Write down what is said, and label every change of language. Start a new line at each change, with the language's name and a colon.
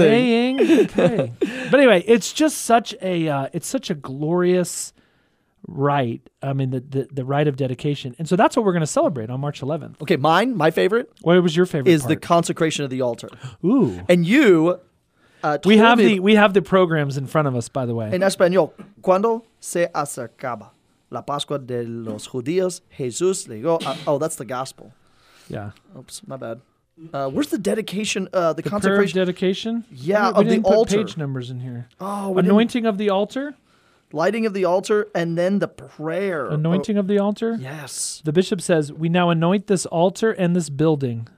English: Saying, okay. But anyway, it's just such a glorious rite, I mean, the rite of dedication. And so that's what we're going to celebrate on March 11th. Okay, mine, my favorite. What was your favorite is part? The consecration of the altar. Ooh. And you told we have me. We have the programs in front of us, by the way.
Spanish: En español, cuando se acercaba la Pascua de los Judíos, Jesús le dijo,
English: that's the gospel. Yeah. Oops, my bad. Where's the dedication, the consecration? The prayer of dedication? Yeah, we of the altar. We didn't put page numbers in here. Oh, anointing of the altar? Lighting of the altar, and then the prayer. Anointing of the altar? Yes. The bishop says, we now anoint this altar and this building.